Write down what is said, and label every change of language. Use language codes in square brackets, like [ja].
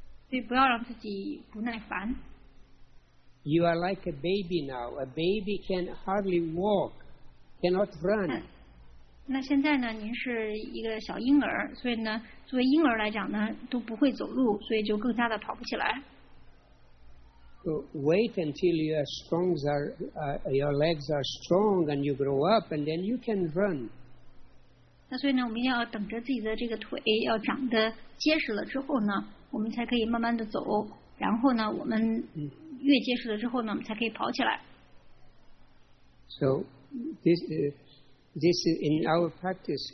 [zh] 所以不要让自己不耐烦。 [en] You are like a baby now. A baby can hardly walk, cannot run. [zh] 那现在呢，您是一个小婴儿，所以呢，作为婴儿来讲呢，都不会走路，所以就更加的跑不起来。 [en] So wait until your legs are strong and you grow up, and then you can run. [zh] 那所以呢，我们要等着自己的这个腿要长得结实了之后呢，我们才可以慢慢的走。然后呢，我们越接触了之后呢，我们才可以跑起来。 [en] So this is in our practice.